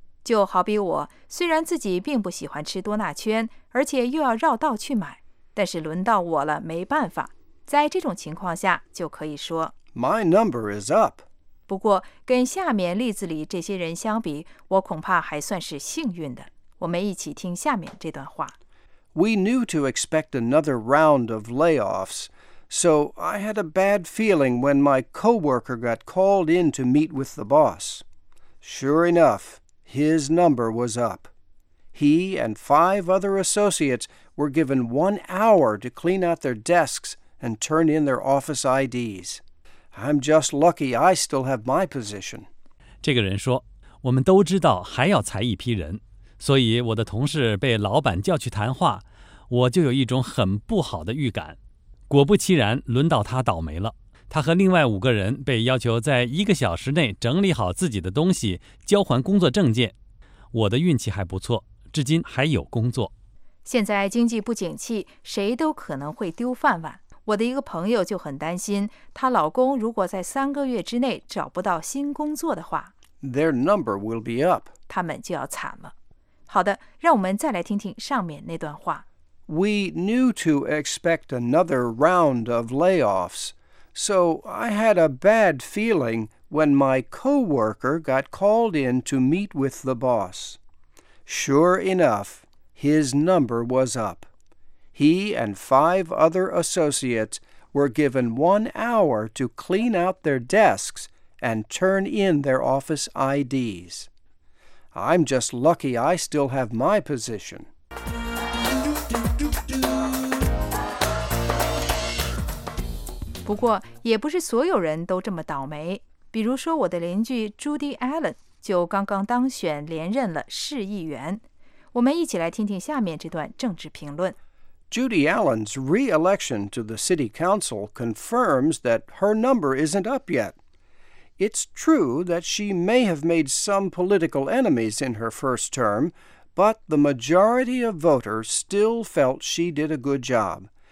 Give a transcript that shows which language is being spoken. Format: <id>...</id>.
<zh>就好比我虽然自己并不喜欢吃多纳圈，而且又要绕道去买，但是轮到我了，没办法。在这种情况下就可以说</zh> <en>My number is up。</en> <zh>不过跟下面例子里这些人相比，我恐怕还算是幸运的。我们一起听下面这段话。</zh> <en>We knew to expect another round of layoffs, so I had a bad feeling when my coworker got called in to meet with the boss. Sure enough, his number was up. He and five other associates were given 1 hour to clean out their desks and turn in their office IDs. I'm just lucky I still have my position.</en> <zh>这个人说，我们都知道还要裁一批人，所以我的同事被老板叫去谈话，我就有一种很不好的预感。果不其然，轮到他倒霉了。他和另外五个人被要求在1个小时内整理好自己的东西，交还工作证件。我的运气还不错，至今还有工作。现在经济不景气，谁都可能会丢饭碗。我的一个朋友就很担心，她老公如果在3个月之内找不到新工作的话</zh> <en>，Their number will be up，</en> <zh>他们就要惨了。好的，让我们再来听听上面那段话。</zh> <en>We knew to expect another round of layoffs, so I had a bad feeling when my coworker got called in to meet with the boss. Sure enough, his number was up. He and five other associates were given 1 hour to clean out their desks and turn in their office IDs. I'm just lucky I still have my position.</en> <zh>不过，也不是所有人都这么倒霉。比如说，我的邻居 Judy Allen 就刚刚当选连任了市议员。我们一起来听听下面这段政治评论。</zh> <en>Judy Allen's re-election to the city council confirms that her number isn't up yet. It's true that she may have made some political enemies in her first term, but the majority of voters still felt she did a good job.</en>